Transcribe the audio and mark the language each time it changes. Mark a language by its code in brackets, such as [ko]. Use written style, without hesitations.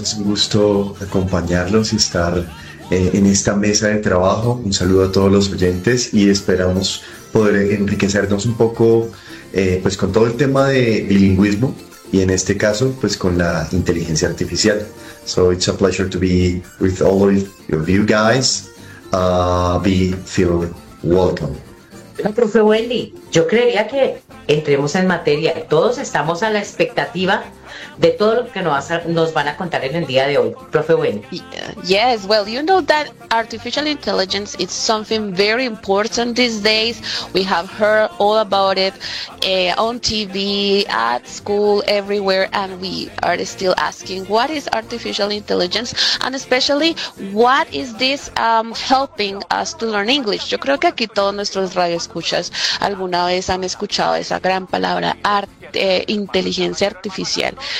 [es] Es un gusto acompañarlos y estar en esta mesa de trabajo. Un saludo a todos los oyentes y esperamos poder enriquecernos un poco pues con todo el tema de bilingüismo y en este caso pues con la inteligencia artificial. [en] So it's a pleasure to be with all of you guys. Be feel welcome. [es] Hola, profe Wendy, yo creería que entremos en materia. Todos estamos a la expectativa de todo lo que nos van a contar en el día de hoy, profe Wendy. [en] Yes, well, you know that artificial intelligence is something very important these days. We have heard all about it on TV, at school, everywhere, and we are still asking what is artificial intelligence and especially what is this helping us to learn English. [es] Yo creo que aquí todos nuestros radioescuchas alguna vez han escuchado esa gran palabra, inteligencia artificial.